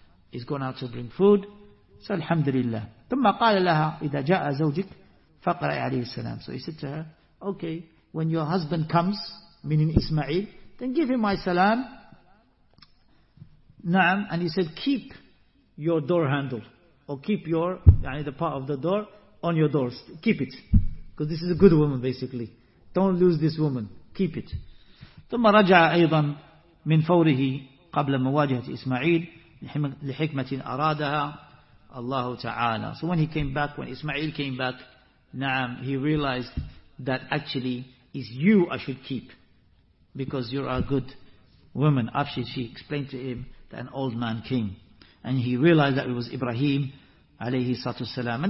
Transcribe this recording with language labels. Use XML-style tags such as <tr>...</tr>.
<en>He's gone out to bring food. So alhamdulillah.</en> <ar>ثُمَّ قَالَ لَهَا إِذَا جَاءَ زَوْجِكَ فَقْرَأِ عَلَيْهِ السَّلَامِ.</ar> <en>So he said to her, okay, when your husband comes, meaning Ismail, then give him my salam. Na'am. And he said, keep your door handle, or keep your, the part of the door on your doors. Keep it. Because this is a good woman, basically. Don't lose this woman. Keep it.</en> <ar>ثُمَّ رَجَعَ أَيْضًا مِنْ فَوْرِهِ قَبْلَ مُوَاجِهَةِ إِسْمَعِيلِ لِحِكْمَةٍ أَرَادَهَا Allah Ta'ala.</ar> <en>So when he came back, when Ismail came back, na'am, he realized that actually it's you I should keep. Because you're a good woman. Afshin, she explained to him that an old man came. And he realized that it was Ibrahim alayhi salatu salam.</en>